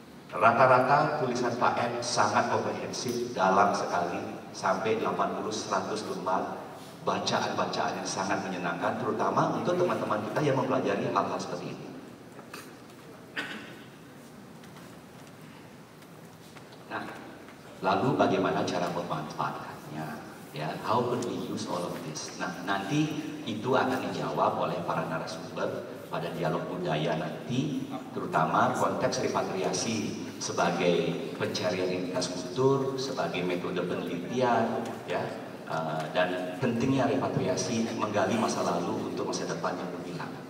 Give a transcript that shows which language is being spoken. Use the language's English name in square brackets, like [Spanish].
[Indonesian] Rata-rata tulisan Pak M sangat komprehensif, dalam sekali, sampai 80-100 lembar bacaan-bacaan yang sangat menyenangkan, terutama untuk teman-teman kita yang mempelajari hal-hal seperti ini. Nah, lalu bagaimana cara memanfaatkannya? Ya, [English] how can we use all of this? [Indonesian] Nah, nanti itu akan dijawab oleh para narasumber pada dialog budaya nanti, terutama konteks repatriasi sebagai pencarian identitas kultur, sebagai metode penelitian, ya, dan pentingnya repatriasi menggali masa lalu untuk masa depan yang berbilang.